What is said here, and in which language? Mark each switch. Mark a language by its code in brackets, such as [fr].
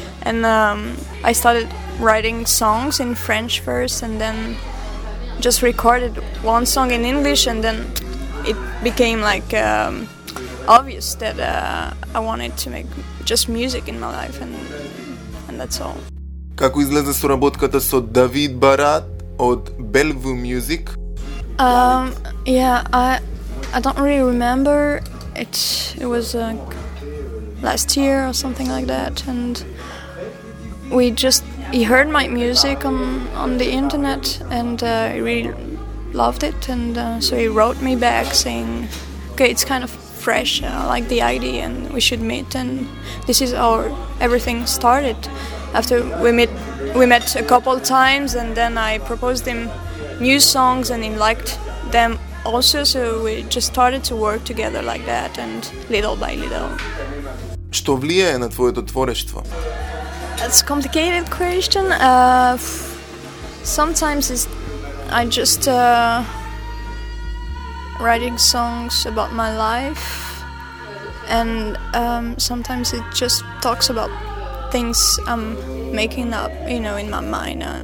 [en] And I started writing songs in French first, and then just recorded one song in English, and then it became like obvious that I wanted to make just music in my life, and that's all. [mk] Како излезе соработката со Давид Барат од Bellevue Music? [en] I don't really remember. It was like last year or something like that, and he heard my music on the internet, and he really loved it, and so he wrote me back saying, okay, it's kind of fresh, I like the idea, and we should meet, and this is how everything started. After we met a couple times, and then I proposed him new songs, and he liked them also, so we just started to work together like that, and little by little. [mk] Што влијае на твоето творештво? [en] That's a complicated question. Sometimes I just writing songs about my life, and sometimes it just talks about things I'm making up, you know, in my mind.